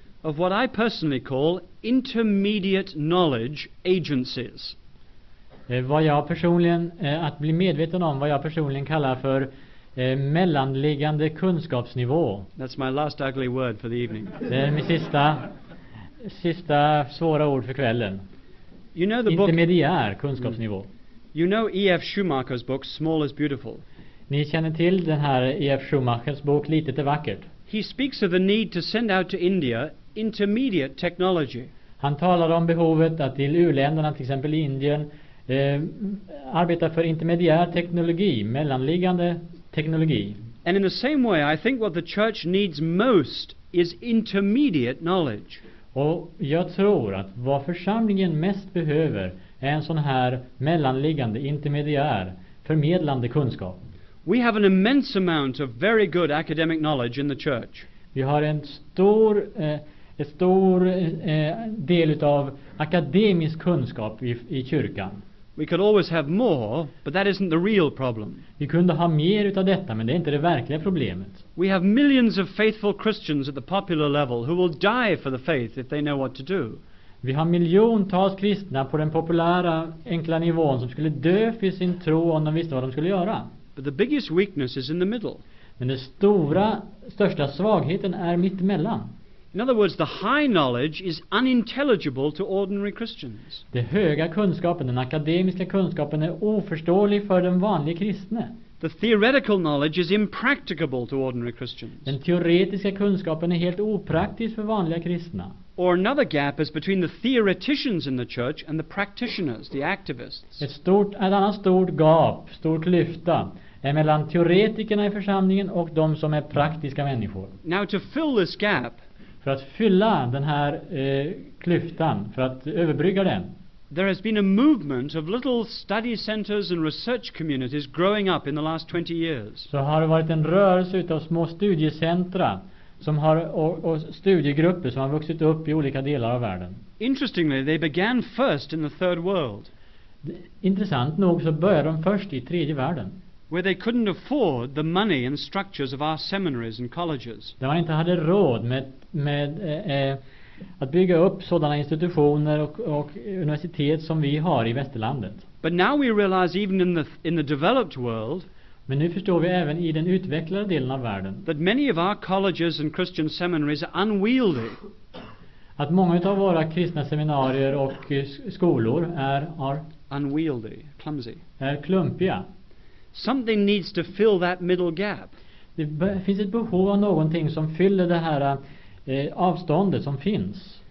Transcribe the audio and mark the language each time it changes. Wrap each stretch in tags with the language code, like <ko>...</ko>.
<en>of what I personally call intermediate knowledge agencies.</en> <sv>Vad jag personligen, att bli medveten om vad jag personligen kallar för mellanliggande kunskapsnivå.</sv> <en>That's my last ugly word for the evening.</en> <sv>Det är min sista svåra ord för kvällen.</sv> <en>You know the book,</en> <sv>intermediär kunskapsnivå.</sv> <en>You know E.F. Schumacher's book Small is Beautiful.</en> <sv>Ni känner till den här E.F. Schumachers bok Litet är vackert.</sv> <en>He speaks of the need to send out to India intermediate technology.</en> <sv>Han talar om behovet att till u-länderna, till exempel i Indien, arbeta för intermediär teknologi, mellanliggande teknologi.</sv> <en>And in the same way I think what the church needs most is intermediate knowledge.</en> <sv>Och jag tror att vad församlingen mest behöver är en sån här mellanliggande, intermediär, förmedlande kunskap.</sv> <en>We have an immense amount of very good academic knowledge in the church.</en> <sv>Vi har en stor del utav akademisk kunskap i kyrkan.</sv> <en>We could always have more, but that isn't the real problem.</en> <sv>Vi kunde ha mer utav detta, men det är inte det verkliga problemet.</sv> <en>We have millions of faithful Christians at the popular level who will die for the faith if they know what to do.</en> <sv>Vi har miljontals kristna på den populära enkla nivån som skulle dö för sin tro om de visste vad de skulle göra.</sv> <en>But the biggest weakness is in the middle.</en> <sv>Men den stora största svagheten är mitt emellan.</sv> <en>In other words, the high knowledge is unintelligible to ordinary Christians.</en> <sv>Den höga kunskapen, den akademiska kunskapen, är oförståelig för den vanliga kristne.</sv> <en>The theoretical knowledge is impracticable to ordinary Christians.</en> <sv>Den teoretiska kunskapen är helt opraktisk för vanliga kristna.</sv> <en>Or another gap is between the theoreticians in the church and the practitioners, the activists.</en> <sv>Ett stort klyfta är mellan teoretikerna i församlingen och de som är praktiska människor.</sv> <en>Now to fill this gap,</en> <sv>för att fylla den här klyftan, för att överbrygga den.</sv> <en>There has been a movement of little study centers and research communities growing up in the last 20 years.</en> <sv>Så har det varit en rörelse utav små studiecentra som har och studiegrupper som har vuxit upp i olika delar av världen.</sv> <en>Interestingly, they began first in the third world.</en> <sv>Intressant nog så började de först i tredje världen.</sv> <en>Where they couldn't afford the money and structures of our seminaries and colleges.</en> <sv>Där man inte hade råd med att bygga upp sådana institutioner och universitet som vi har i västerlandet.</sv> <en>But now we realize even in the developed world.</en> <sv>Men nu förstår vi även i den utvecklade delen av världen.</sv> <en>That many of our colleges and Christian seminaries are unwieldy.</en> <sv>Att många av våra kristna seminarier och skolor är</sv> <en>unwieldy, clumsy.</en> <sv>Är klumpiga.</sv> <en>Something needs to fill that middle gap.</en> <sv>Det finns ett behov av någonting som fyller det här avståndet som finns.</sv>